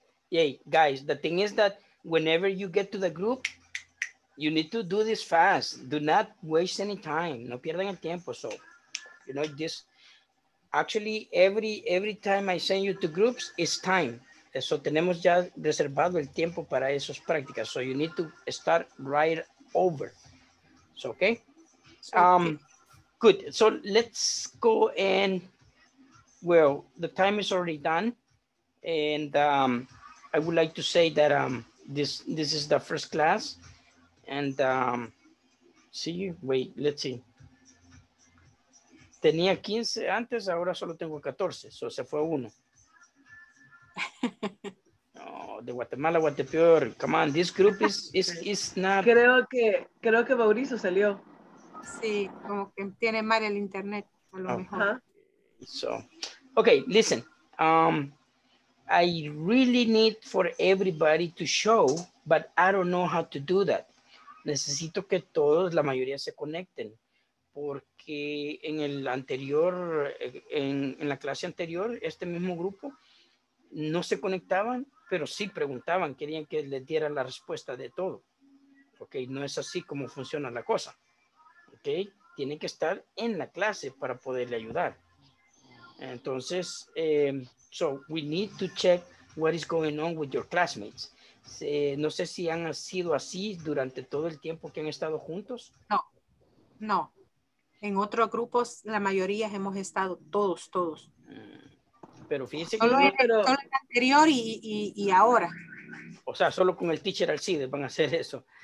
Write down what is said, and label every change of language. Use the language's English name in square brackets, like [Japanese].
[English] Yay, guys, the thing is that whenever you get to the group, you need to do this fast. Do not waste any time. [Spanish] No pierdan el tiempo. [English] So, you know, this actually every time I send you to groups, it's time. [Spanish] So, tenemos ya reservado el tiempo para esas prácticas. [English] So, you need to start right over. So, okay? Good. So, let's go and, well, the time is already done. And I would like to say that this is the first class. And see you. Wait, let's see. [Spanish] Tenía 15 antes, ahora solo tengo 14. So, se fue uno. No, de Guatemala, Guatepeor. [English] Come on, this group is not. [Spanish] Creo que Mauricio salió. Sí, como que tiene mal el internet, a lo mejor. [English] So, okay, listen. I really need for everybody to show, but I don't know how to do that. [Spanish] Necesito que todos, la mayoría, se conecten, porque en el anterior, en la clase anterior, este mismo grupo no se conectaban, pero sí preguntaban, querían que les diera la respuesta de todo. Ok, no es así como funciona la cosa. Ok, tienen que estar en la clase para poderle ayudar. [English] Entonces, so we need to check what is going on with your classmates. [Spanish] No sé si han sido así durante todo el tiempo que han estado juntos. No. En otros grupos, la mayoría hemos estado todos. Pero fíjense que solo el anterior y ahora. O sea, solo con el teacher Alcides van a hacer eso.